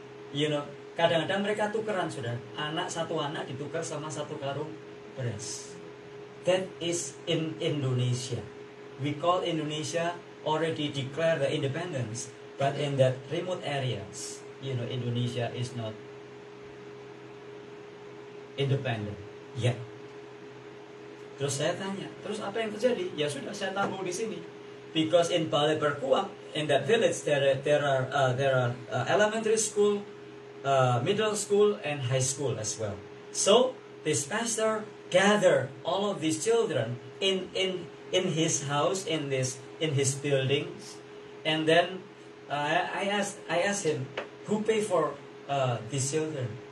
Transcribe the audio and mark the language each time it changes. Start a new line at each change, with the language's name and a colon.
Indonesian: You know, kadang-kadang mereka tukeran, sudah. Anak, satu anak ditukar sama satu karung beras.
English: That is in Indonesia. We call Indonesia already declare the independence, but in that remote areas, you know, Indonesia is not independent yet.
Indonesian: Terus saya tanya, terus apa yang terjadi? Ya sudah, saya tanggung di sini.
English: Because in Balai Berkuah, in that village, there are elementary school, middle school and high school as well. So this pastor gathered all of these children in his house, in his buildings, and then I asked him, who pay for these children?